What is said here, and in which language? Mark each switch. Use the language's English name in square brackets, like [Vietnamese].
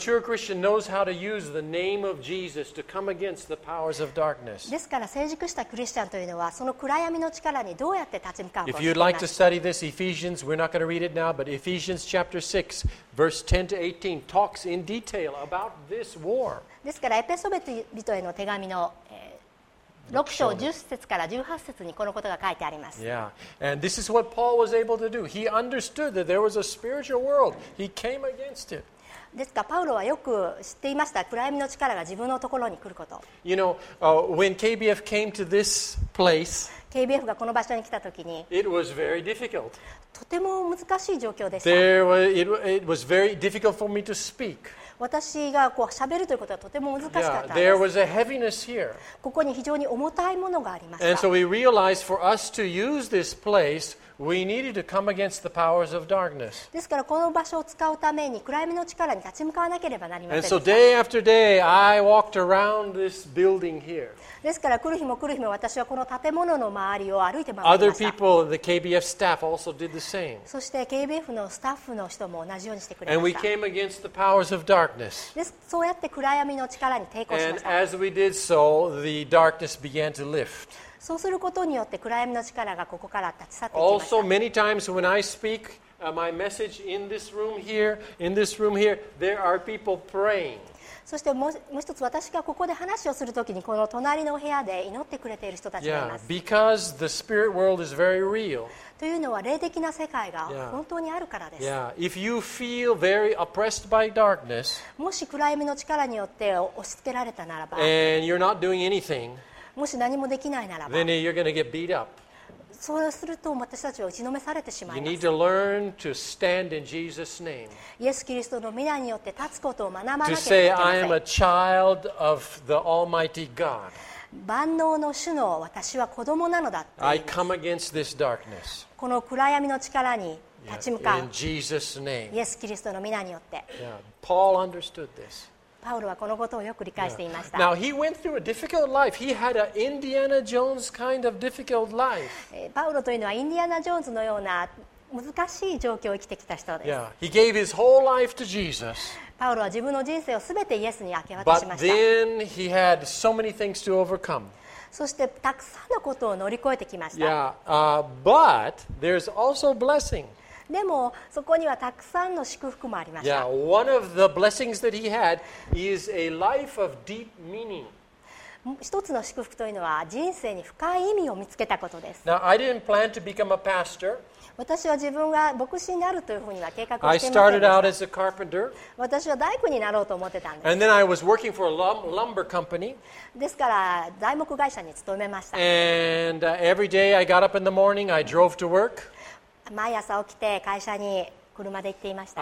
[English] The mature Christian knows how to use the name of Jesus to come against the powers of darkness. [Japanese] ですから成熟したクリスチャンというのはその暗闇の力にどうやって立ち向かうか。 [English] If you'd like to study this Ephesians, we're not going to read it now, but Ephesians chapter 6, verse 10 to 18 talks in detail about this war. [Japanese] ですからエペソ人への手紙の6章10節から18節にこのことが書いてあります。 [English] Yeah. And this is what Paul was able to do. He understood that there was a spiritual world. He came against it. [Japanese] ですからパウロはよく知っていました。暗闇の力が自分のところに来ること。 [English] You know, when KBF came to this place, [Japanese] KBF がこの場所に来たときに、 [English] it was very difficult. [Japanese] とても難しい状況でした [English] There was, it was very difficult for me to speak. [Japanese] 私がこう喋るということはとても難しかったです。 [English] Yeah, there was a heaviness here. [Japanese] ここに非常に重たいものがありました。 [English] And so we realized for us to use this place, we needed to come against the powers of darkness. [Japanese] ですからこの場所を使うために暗闇の力に立ち向かわなければなりませんでした。 [English] And so day after day, I walked around this building here. [Japanese] ですから来る日も来る日も私はこの建物の周りを歩いて回りました。 [English] Other people, the KBF staff also did the same. [Japanese] そして KBF のスタッフの人も同じようにしてくれました。 [English] And we came against the powers of darkness. [Japanese] です、そうやって暗闇の力に抵抗しました。 [English] And as we did so, the darkness began to lift. [Japanese] そうすることによって暗闇の力がここから立ち去っていきました。 [English] Also, many times when I speak my message in this room here, there are people praying. [Japanese] そしてもう一つ私がここで話をするときにこの隣の部屋で祈ってくれている人たちがいます。 [English] Yeah, because the spirit world is very real. [Japanese] というのは霊的な世界が本当にあるからです。 [English] Yeah, if you feel very oppressed by darkness, [Japanese] もし暗闇の力によって押し付けられたならば、 [English] and you're not doing anything. [Japanese] もし何もできないならば、 [English] then you're going to get beat up. [Japanese] そうすると私たちは打ちのめされてしまいます。 [English] You need to learn to stand in Jesus' name. [Japanese] イエス・キリストの名によって立つことを学ばなければいけません。 [English] To say I am a child of the Almighty God. [Japanese] 万能の主の私は子供なのだって言います。 [English] I come against this darkness. [Japanese] この暗闇の力に立ち向かう。 [English] In Jesus' name. [Japanese] イエス・キリストの名によって。 [English] Yeah. Paul understood this. [Japanese] パウロはこのことをよく理解していました。 [English] Now he went through a difficult life. He had an Indiana Jones kind of difficult life. [Japanese] パウロというのはインディアナ・ジョーンズのような難しい状況を生きてきた人です。 [English] Yeah. He gave his whole life to Jesus. [Japanese] パウロは自分の人生をすべてイエスに明け渡しました。 [English] But then he had so many things to overcome. [Japanese] そしてたくさんのことを乗り越えてきました。 [English] Yeah. But there's also blessing. [Japanese] でもそこにはたくさんの祝福もありました。 [English] Yeah, one of the blessings that he had is a life of deep meaning. [Japanese] 一つの祝福というのは人生に深い意味を見つけたことです。 [English] Now, I didn't plan to become a pastor. [Japanese] 私は自分が牧師になるというふうには計画していませんでした。 [English] I started out as a carpenter. [Japanese] 私は大工になろうと思ってたんです。 [English] And then I was working for a lumber company. [Japanese] ですから材木会社に勤めました。 [English] And every day I got up in the morning, I drove to work. [Japanese] 毎朝起きて会社に車で行っていました。